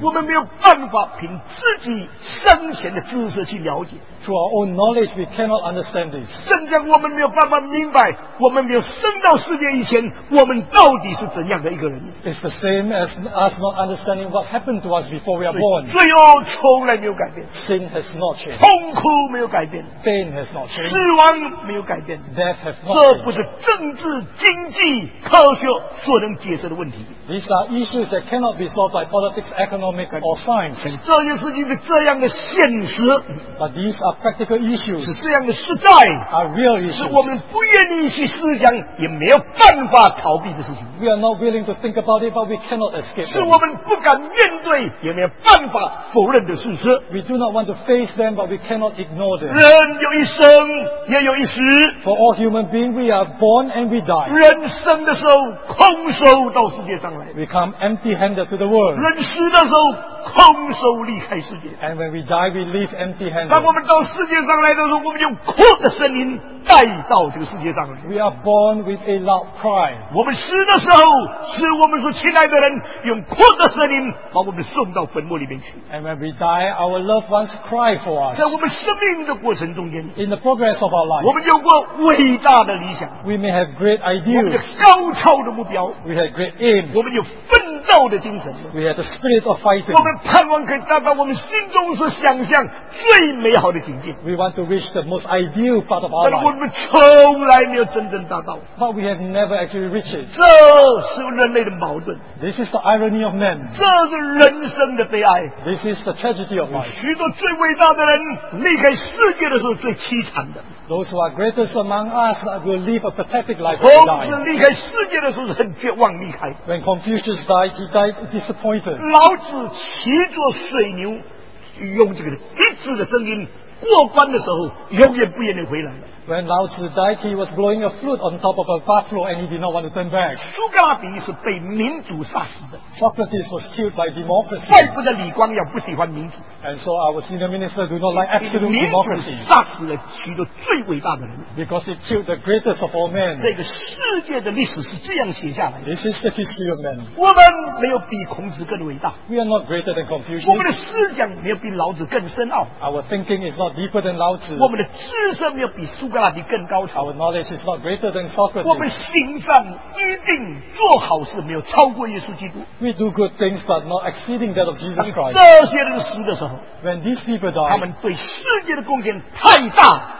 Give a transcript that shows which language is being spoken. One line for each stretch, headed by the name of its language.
Chinese: 我们没有办法凭自己生前的知识去了解。
English: Through our own knowledge, we cannot understand this.
Chinese: 甚至我们没有办法明白, 我们没有生到世界以前, 我们到底是怎样的一个人。
English: It's the same as us not understanding what happened to us before we are born.
Chinese: 罪恶从来没有改变。
English: Sin has not changed.
Chinese: 痛苦没有改变。
English: Pain has not changed.
Chinese: 死亡没有改变。
English: Death has not changed.
Chinese: 这不是政治、经济、科学所能解释的问题。
English: These are issues that cannot be solved by politics, economic, or science.
Chinese: 这些事情是这样的现实。
English: But these are practical issues.
Chinese: 是这样的实在。
English: Are real issues.
Chinese: 是我们不愿意去思想, 也没有办法逃避的事情。
English: We are not willing to think about it, but we cannot escape.
Chinese: 是我们不敢面对, 也没有办法否认的事实。
English: We do not want to face them, but we cannot ignore them.
Chinese: 人有一生, 也有一死。
English: For all human beings, we are born and we die.
Chinese: 人生的时候, 空手到死。
English: We come empty-handed to the world.
Chinese: 人死的时候, 空手离开世界。
English: And when we die, we leave empty-handed.
Chinese: 当我们到世界上来的时候, 我们用哭的声音。带到这个世界上来。
English: We are born with a loud cry.
Chinese: 我们死的时候, 使我们所亲爱的人, 用哭的声音, 把我们送到坟墓里面去。
English: And when we die, our loved ones cry for us.
Chinese: 在我们生命的过程中间,
English: In the progress of our life,
Chinese: 我们有过伟大的理想。
English: We may have great ideals.
Chinese: 我们有高超的目标。
English: We have great aims.
Chinese: 我们有奋斗的精神。
English: We have the spirit of fighting.
Chinese: 我们盼望可以达到我们心中所想象最美好的境界。
English: We want to reach the most ideal part of our life.
Chinese: 我们从来没有真正达到。
English: But we have never actually reached it.
Chinese: 这是人类的矛盾。
English: This is the irony of men.
Chinese: 这是人生的悲哀。
English: This is the tragedy of life.
Chinese: 许多最伟大的人, 离开世界的时候最凄惨的。
English: Those who are greatest among us will live a pathetic life.
Chinese: 孔子离开世界的时候是很绝望离开。
English: When Confucius died, he died disappointed.
Chinese: 老子骑着水牛, 用这个一致的声音, 过关的时候, 永远不愿意回来。
English: When Lao Tzu died, he was blowing a flute on top of a buffalo and he did not want to turn back.
Chinese: 苏格拉底是被民主杀死的。
English: Socrates was killed by democracy.
Chinese: 怪不得李光耀不喜欢民主。
English: And so our senior minister do not like absolute democracy.
Chinese: 民主杀死了许多最伟大的人。
English: Because it killed the greatest of all men.
Chinese: 这个世界的历史是这样写下来的。
English: This is the history of men.
Chinese: 我们没有比孔子更伟大。
English: We are not greater than Confucius.
Chinese: 我们的思想没有比老子更深奥。
English: Our thinking is not deeper than Lao Tzu.
Chinese: 我们的知识没有比苏格拉底更深奥。
English: Our knowledge is not greater than Socrates.
Chinese: 我们行善一定做好事，没有超过耶稣基督。
English: We do good things, but not exceeding that of Jesus Christ.
Chinese: 这些人死的时候,
English: when these people die,
Chinese: 他们对世界的贡献太大。